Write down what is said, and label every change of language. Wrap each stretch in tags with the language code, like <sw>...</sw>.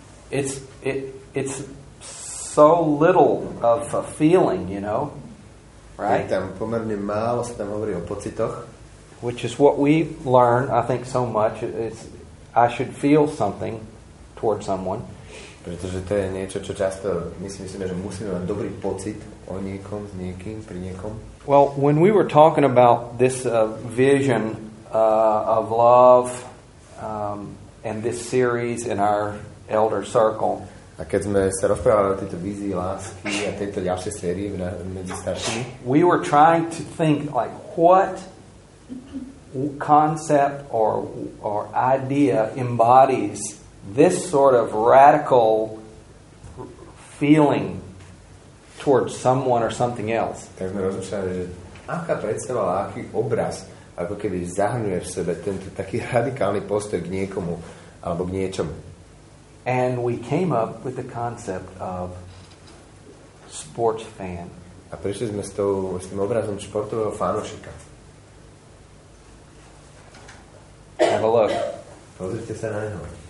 <en>It's so little of a feeling, you know, right?</en> <sk>Je tam pomerne málo, sa tam hovorí o pocitoch.</sk> <en>Which is what we learn, I think, so much. It's, I should feel something towards someone.</en> <sk>Pretože to je niečo, čo často myslíme, že musíme mať dobrý pocit o niekom, s niekým, pri niekom.</sk> <en>Well, when we were talking about this vision of love and this series in our elder circle.</en> <sk>A keď sme sa rozprávali o tejto vízii lásky a tejto ďalšej sérii medzi staršími.</sk> <en>We were trying to think like what concept or idea embodies this sort of radical feeling towards someone or something else.</en> <sk>Tak sme rozmýšľali, že aká predstava, aký obraz, ako keby zahrňuje v sebe tento taký radikálny postoj k niekomu alebo k niečomu.</sk> <en>And we came up with the concept of sports fan.</en> <sk>A prišli sme s tým obrazom športového fanúšika.</sk> <en>Have a look.</en> <sk>Pozrite sa na neho.</sk>